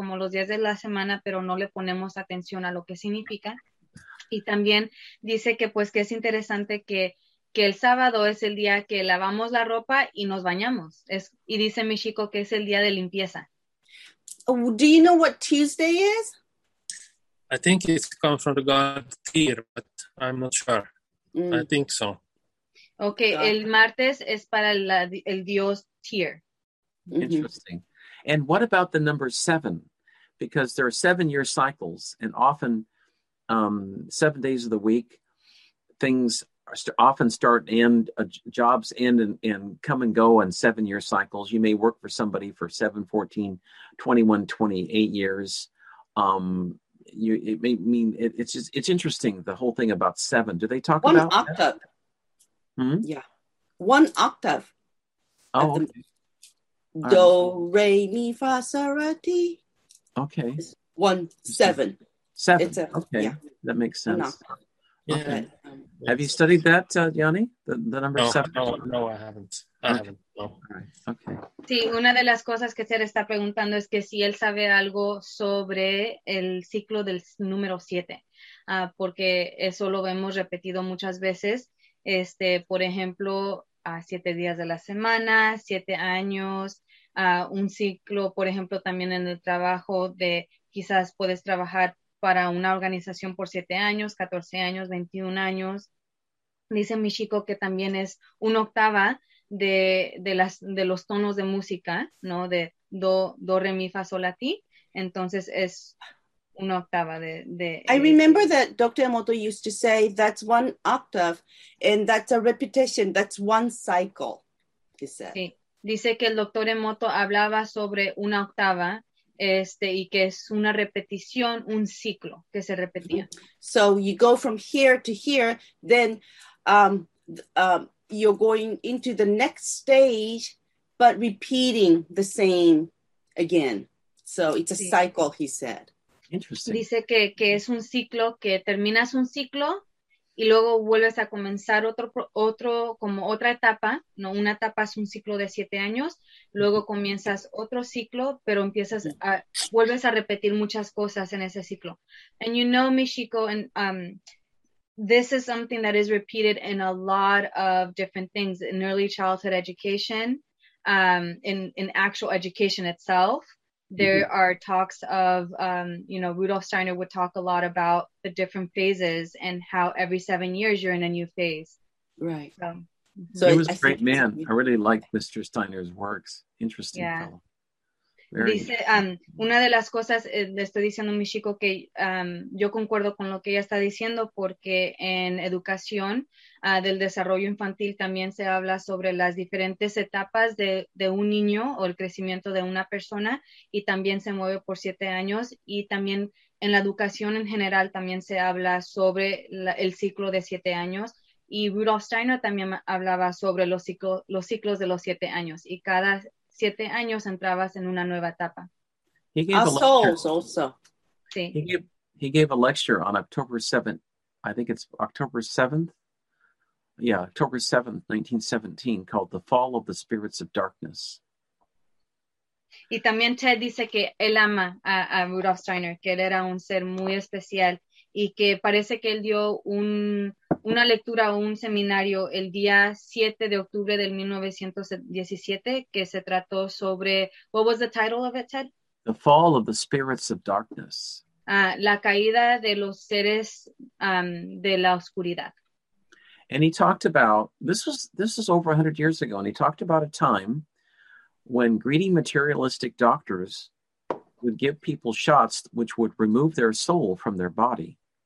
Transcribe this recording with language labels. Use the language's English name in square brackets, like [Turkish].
[Spanish] Como los días de la semana, pero no le ponemos atención a lo que significa. Y también dice que pues que es interesante que el sábado es el día que lavamos la ropa y nos bañamos. Y dice mi chico que es el día de limpieza. [English] Oh, do you know what Tuesday is? I think it comes from the god Tyr, but I'm not sure. Mm. I think so. [Spanish] Okay, el martes es para el dios Tyr. [English] Interesting. And what about the number 7? Because there are 7-year cycles, and often 7 days of the week, things often start and jobs end and come and go in 7-year cycles. You may work for somebody for 7, 14, 21, 28 years. It's interesting, the whole thing about 7. Do they talk one about one octave? One octave. Oh, okay. Do, re, mi, fa, sol, la, ti. Okay. 1 7. Okay. Yeah. That makes sense. Okay. Have you studied that, Yanni? The number 7? No, I haven't. Okay. [Spanish] Sí, una de las cosas que Ser está preguntando es que si él sabe algo sobre el ciclo del número 7, porque eso lo hemos repetido muchas veces. Por ejemplo, 7 días de la semana, 7 años, un ciclo, por ejemplo, también en el trabajo de quizás puedes trabajar para una organización por 7 años, 14 años, 21 años. Dice mi chico que también es una octava de los tonos de música, ¿no? De do, re, mi, fa, sol, la, ti. Entonces es una octava [English] I remember that Dr. Emoto used to say that's one octave and that's a repetition, that's one cycle, he said. [Spanish] Sí. Dice que el Dr. Emoto hablaba sobre una octava y que es una repetición, un ciclo que se repetía. [English] So you go from here to here, then you're going into the next stage, but repeating the same again. So it's a cycle, he said. Interesting. [Spanish] Dice que es un ciclo, que terminas un ciclo y luego vuelves a comenzar otro como otra etapa, ¿no? Una etapa es un ciclo de 7 años, luego comienzas otro ciclo, pero vuelves a repetir muchas cosas en ese ciclo. [English] And you know, Michiko, and this is something that is repeated in a lot of different things in early childhood education, in actual education itself. There are talks of, Rudolf Steiner would talk a lot about the different phases and how every 7 years you're in a new phase. Right. So he was a great man. I really like Mr. Steiner's works. Interesting fellow. Yeah. [Spanish] Dice, una de las cosas, le estoy diciendo a mi chico que yo concuerdo con lo que ella está diciendo, porque en educación del desarrollo infantil también se habla sobre las diferentes etapas de un niño o el crecimiento de una persona, y también se mueve por 7 años, y también en la educación en general también se habla sobre el ciclo de 7 años, y Rudolf Steiner también hablaba sobre los ciclos de los 7 años, y cada 7 años entrabas en una nueva etapa. [English] He gave a souls also. [Spanish] Sí. [English] He gave a lecture on October 7th. I think it's October 7th. Yeah, October 7th, 1917, called The Fall of the Spirits of Darkness. [Spanish] Y también Ted dice que él ama a Rudolf Steiner, que él era un ser muy especial, y que parece que él dio una lectura o un seminario el día 7 de octubre del 1917, que se trató sobre, [English] what was the title of it, Ted? The Fall of the Spirits of Darkness. [Spanish] La caída de los seres de la oscuridad. [English] And he talked about, this was over 100 years ago, and he talked about a time when greedy materialistic doctors would give people shots which would remove their soul from their body.